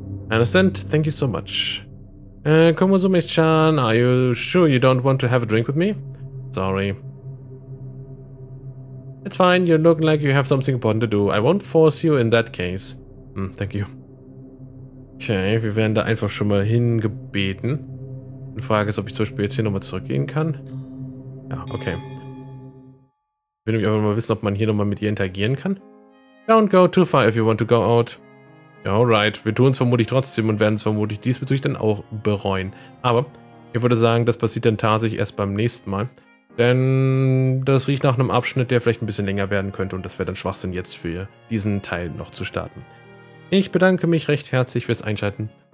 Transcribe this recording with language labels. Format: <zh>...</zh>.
<en>I understand. Thank you so much. Komuzume-chan, are you sure you don't want to have a drink with me? Sorry. It's fine. You look like you have something important to do. I won't force you in that case. Thank you.</en> <de>Okay, wir werden da einfach schon mal hingebeten. Die Frage ist, ob ich zum Beispiel jetzt hier nochmal zurückgehen kann. Ja, okay. Ich will nämlich einfach mal wissen, ob man hier nochmal mit ihr interagieren kann.</de> <en>Don't go too far if you want to go out.</en> <de>Alright, wir tun es vermutlich trotzdem und werden es vermutlich diesbezüglich dann auch bereuen. Aber ich würde sagen, das passiert dann tatsächlich erst beim nächsten Mal. Denn das riecht nach einem Abschnitt, der vielleicht ein bisschen länger werden könnte. Und das wäre dann Schwachsinn, jetzt für diesen Teil noch zu starten. Ich bedanke mich recht herzlich fürs Einschalten.</de>